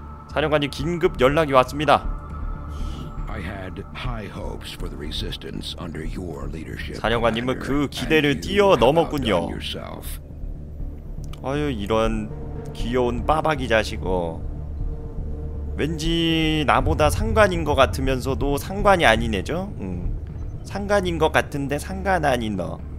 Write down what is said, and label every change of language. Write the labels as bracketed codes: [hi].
[ko] 사령관님, 긴급 연락이 왔습니다. [en] I had high hopes for the resistance under your leadership. [ko] 사령관님은 그 기대를 뛰어넘었군요. 아유, 이런 귀여운 빠박이 자식. 왠지 나보다 상관인 것 같으면서도 상관이 아닌 애죠? 상관인 것 같은데 상관 아닌 너.